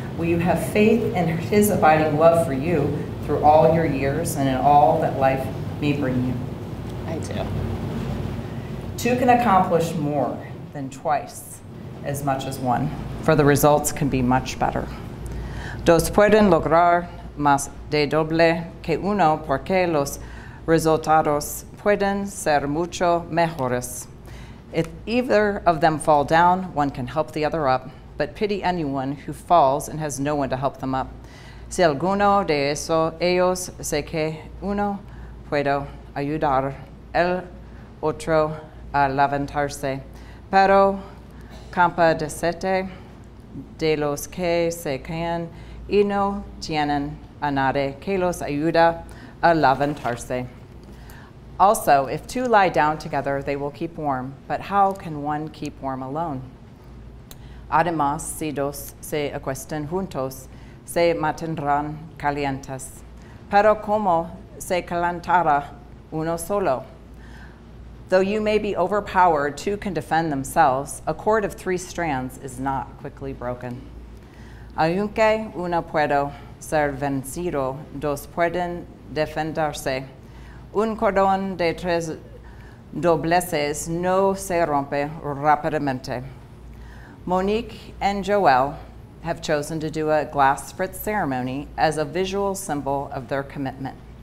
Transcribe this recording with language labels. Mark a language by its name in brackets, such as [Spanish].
[English] Will you have faith in his abiding love for you through all your years and in all that life may bring you? I do. Two can accomplish more than twice as much as one, for the results can be much better. [Spanish] Dos pueden lograr más de doble que uno porque los resultados pueden ser mucho mejores. [English] If either of them fall down, one can help the other up, but pity anyone who falls and has no one to help them up. [Spanish] Si alguno de eso, ellos sé que uno puedo ayudar el otro a levantarse, pero compadécete de los que se caen y no tienen a nadie que los ayuda a levantarse. [English] Also, if two lie down together, they will keep warm, but how can one keep warm alone? [Spanish] Además, si dos se acuestan juntos, se mantendrán calientes. Pero como se calentara uno solo? [English] Though you may be overpowered, two can defend themselves. A cord of three strands is not quickly broken. [Spanish] Aunque uno pueda ser vencido, dos pueden defenderse. Un cordón de tres dobleces no se rompe rápidamente. [English] Monique and Joelle have chosen to do a glass spritz ceremony as a visual symbol of their commitment.